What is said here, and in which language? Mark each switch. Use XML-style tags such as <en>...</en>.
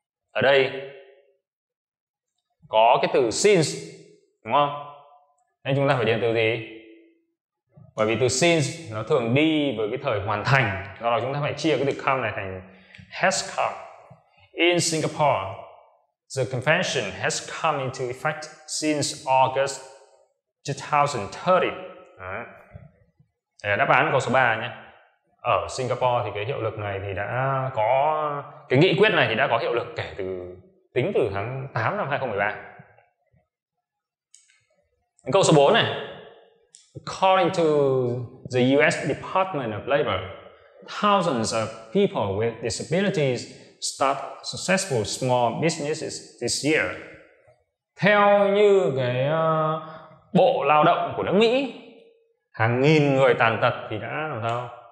<vi>Ở đây có cái từ since, đúng không? Nên chúng ta phải điền từ gì? Bởi vì từ since nó thường đi với cái thời hoàn thành, do đó chúng ta phải chia cái từ come này thành</vi> <en>has come. In Singapore, the convention has come into effect since August 2013.</en> <vi>Đấy, đáp án câu số 3 nhé. Ở Singapore thì cái hiệu lực này thì đã có, cái nghị quyết này thì đã có hiệu lực kể từ, tính từ tháng 8 năm 2013. Câu số 4 này.</vi> <en>According to the US Department of Labor, thousands of people with disabilities start successful small businesses this year.</en> <vi>Theo như cái Bộ Lao động của nước Mỹ, hàng nghìn người tàn tật thì đã làm sao?</vi>